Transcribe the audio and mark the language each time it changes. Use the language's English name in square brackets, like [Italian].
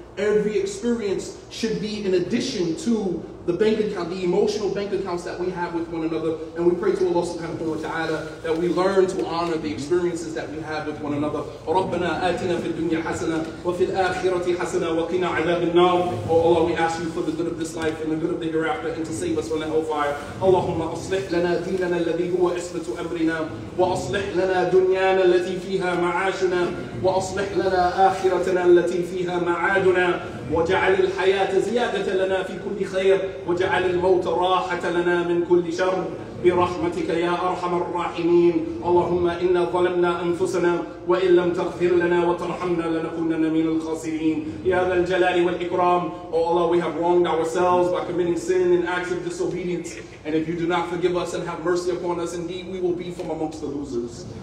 [English] Every experience should be in addition to the bank account, the emotional bank accounts that we have with one another. And we pray to Allah subhanahu wa ta'ala that we learn to honor the experiences that we have with one another. [Arabic] رَبَّنَا آتِنَا فِي الدُّنْيَا حَسَنًا وَفِي الْآخِرَةِ حَسَنًا وَقِنَا عَذَابَ النَّارِ. [English] Oh Allah, we ask you for the good of this life and the good of the hereafter, and to save us from the hellfire. [Arabic] اللهم أصلح لنا ديننا الذي هو عصمة أمرنا وأصلح لنا دنيانا التي فيها معاشنا وأصلح لنا آخرتنا التي فيها معادنا وجعل الحياة زيادة لنا في كل خير وجعل الموت راحة لنا من كل شر برحمتك يا أرحم الراحمين. اللهم إنا ظلمنا أنفسنا وإن لم تغفر لنا وترحمنا لنكونن من الخاسرين. يا ذا الجلال والإكرام. [English] Oh Allah, we have wronged ourselves by committing sin and acts of disobedience. And if you do not forgive us and have mercy upon us, indeed we will be from amongst the losers.